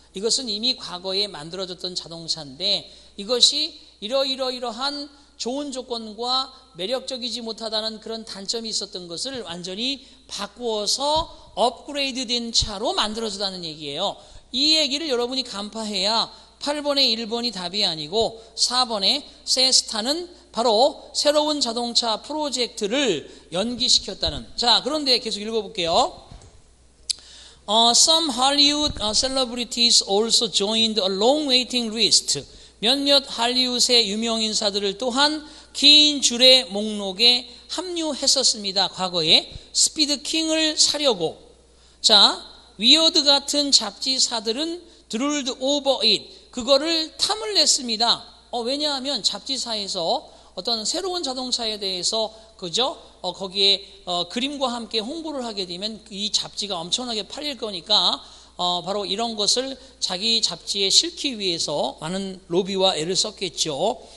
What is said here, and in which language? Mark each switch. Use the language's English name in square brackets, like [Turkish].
[Korean] 이것은 이미 과거에 만들어졌던 자동차인데, 이것이 이러이러이러한 좋은 조건과 매력적이지 못하다는 그런 단점이 있었던 것을 완전히 바꾸어서 업그레이드 된 차로 만들어졌다는 얘기예요. 이 얘기를 여러분이 간파해야 8번의 1번이 답이 아니고 4번의 세스타는 바로 새로운 자동차 프로젝트를 연기시켰다는. 자, 그런데 계속 읽어볼게요. [English] Some Hollywood celebrities also joined a long waiting list. [Korean] 몇몇 할리우드의 유명인사들을 또한 긴 줄의 목록에 합류했었습니다. 과거에 스피드킹을 사려고. 자, 위어드 같은 잡지사들은 drooled over it. 그거를 탐을 냈습니다. 왜냐하면 잡지사에서 어떤 새로운 자동차에 대해서 거기에 그림과 함께 홍보를 하게 되면 이 잡지가 엄청나게 팔릴 거니까 바로 이런 것을 자기 잡지에 실기 위해서 많은 로비와 애를 썼겠죠.